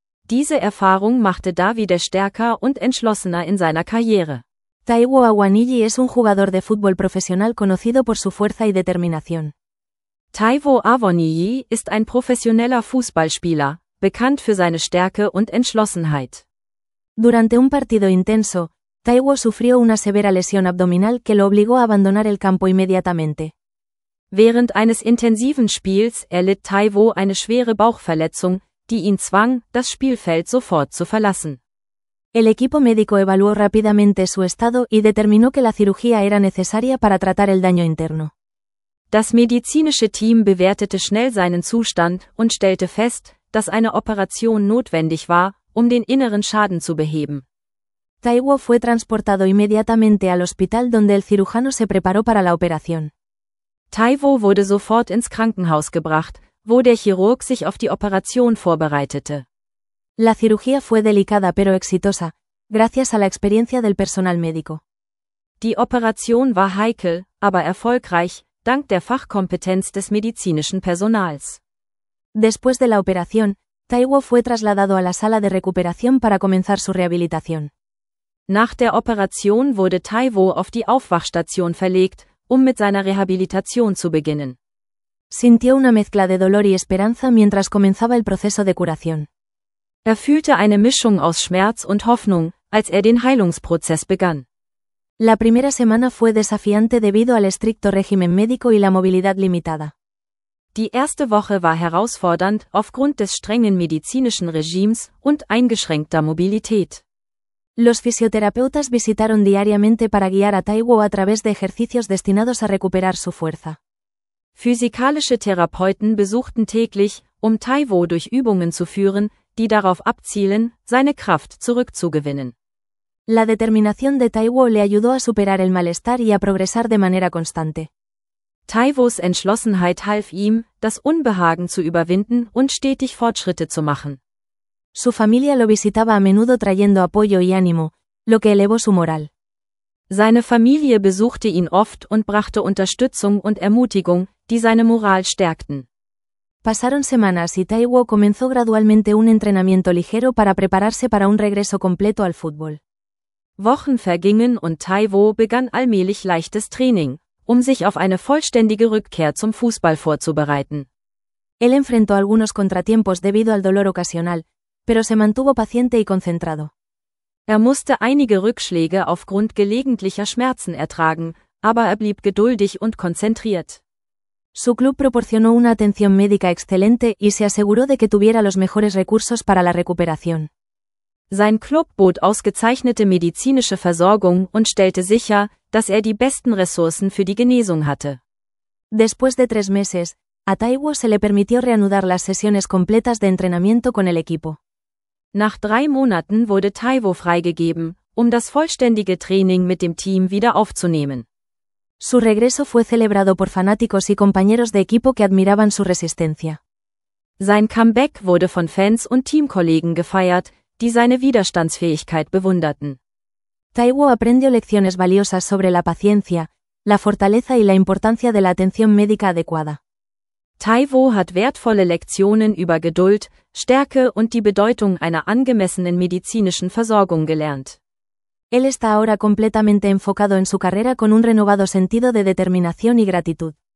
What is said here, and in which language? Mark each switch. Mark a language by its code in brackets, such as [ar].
[de] Diese Erfahrung machte Davide stärker und entschlossener in seiner Karriere. [es] Taiwo Awoniyi es un jugador de fútbol profesional conocido por su fuerza y determinación. [de] Taiwo Awoniyi ist ein professioneller Fußballspieler, bekannt für seine Stärke und Entschlossenheit. [es] Durante un partido intenso, Taiwo sufrió una severa lesión abdominal que lo obligó a abandonar el campo inmediatamente. [de] Während eines intensiven Spiels erlitt Taiwo eine schwere Bauchverletzung, die ihn zwang, das Spielfeld sofort zu verlassen. [es] El equipo médico evaluó rápidamente su estado y determinó que la cirugía era necesaria para tratar el daño interno. [de] Das medizinische Team bewertete schnell seinen Zustand und stellte fest, dass eine Operation notwendig war, um den inneren Schaden zu beheben. [es] Taiwo fue transportado inmediatamente al hospital donde el cirujano se preparó para la operación. [de] Taiwo wurde sofort ins Krankenhaus gebracht, wo der Chirurg sich auf die Operation vorbereitete. [es] La cirugía fue delicada pero exitosa, gracias a la experiencia del personal médico. [de] Die Operation war heikel, aber erfolgreich, dank der Fachkompetenz des medizinischen Personals. [es] Después de la operación, Taiwo fue trasladado a la sala de recuperación para comenzar su rehabilitación. [de] Nach der Operation wurde Taiwo auf die Aufwachstation verlegt, um mit seiner Rehabilitation zu beginnen. [es] Sintió una mezcla de dolor y esperanza mientras comenzaba el proceso de curación. [de] Er fühlte eine Mischung aus Schmerz und Hoffnung, als er den Heilungsprozess begann. [es] La primera semana fue desafiante debido al estricto régimen médico y la movilidad limitada. [de] Die erste Woche war herausfordernd aufgrund des strengen medizinischen Regimes und eingeschränkter Mobilität. [es] Los fisioterapeutas visitaron diariamente para guiar a Taiwo a través de ejercicios destinados a recuperar su fuerza. [de] Physikalische Therapeuten besuchten täglich, um Taiwo durch Übungen zu führen, die darauf abzielen, seine Kraft zurückzugewinnen. [es] La determinación de Taiwo le ayudó a superar el malestar y a progresar de manera constante. [de] Taiwos Entschlossenheit half ihm, das Unbehagen zu überwinden und stetig Fortschritte zu machen. [es] Su familia lo visitaba a menudo trayendo apoyo y ánimo, lo que elevó su moral. [de] Seine Familie besuchte ihn oft und brachte Unterstützung und Ermutigung, die seine Moral stärkten. [es] Pasaron semanas y Taiwo comenzó gradualmente un entrenamiento ligero para prepararse para un regreso completo al fútbol. [de] Wochen vergingen und Taiwo begann allmählich leichtes Training, um sich auf eine vollständige Rückkehr zum Fußball vorzubereiten. [es] Él enfrentó algunos contratiempos debido al dolor ocasional, pero se mantuvo paciente y concentrado. [de] Er musste einige Rückschläge aufgrund gelegentlicher Schmerzen ertragen, aber er blieb geduldig und konzentriert. [es] Su club proporcionó una atención médica excelente y se aseguró de que tuviera los mejores recursos para la recuperación. [de] Sein Club bot ausgezeichnete medizinische Versorgung und stellte sicher, dass er die besten Ressourcen für die Genesung hatte. [es] Después de tres meses, a Taiwo se le permitió reanudar las sesiones completas de entrenamiento con el equipo. [de] Nach drei Monaten wurde Taiwo freigegeben, um das vollständige Training mit dem Team wieder aufzunehmen. [es] Su regreso fue celebrado por fanáticos y compañeros de equipo que admiraban su resistencia. [de] Sein Comeback wurde von Fans und Teamkollegen gefeiert, die seine Widerstandsfähigkeit bewunderten. [es] Taiwo aprendió lecciones valiosas sobre la paciencia, la fortaleza y la importancia de la atención médica adecuada. [de] Taiwo hat wertvolle Lektionen über Geduld, Stärke und die Bedeutung einer angemessenen medizinischen Versorgung gelernt. [es] Él está ahora completamente enfocado en su carrera con un renovado sentido de determinación y gratitud.